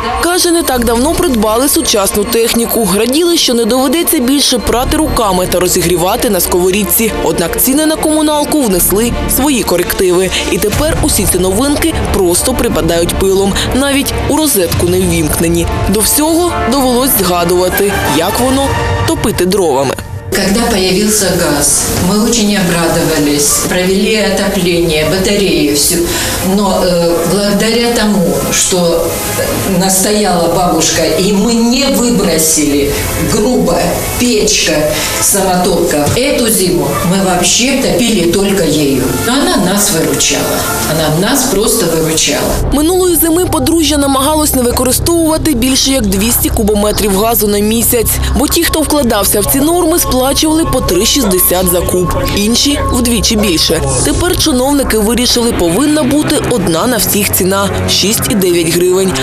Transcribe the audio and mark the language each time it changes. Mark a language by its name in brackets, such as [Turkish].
[Ukrainian] Каже, не так давно придбали сучасну техніку. Раділи, що не доведеться більше прати руками та розігрівати на сковорідці. Однак ціни на комуналку внесли свої корективи. І тепер усі ці новинки просто припадають пилом. Навіть у розетку не ввімкнені. До всього довелось згадувати, як воно – топити дровами. [Russian] Когда появился газ, мы очень обрадовались, провели отопление, батареи, все. Но благодаря тому, что настояла бабушка, и мы не выбросили, грубо, печка, самотопка, эту зиму мы вообще топили только ею. Но она нас выручала, она нас просто выручала. [Ukrainian] Минулої зими подружжя намагалось не використовувати більше як 200 кубометрів газу на місяць. Бо ті, хто вкладався в ці норми, сплачували по 3,60 за куб. Інші – вдвічі більше. Тепер чиновники вирішили, повинна бути одна на всіх ціна – 6,9 гривень.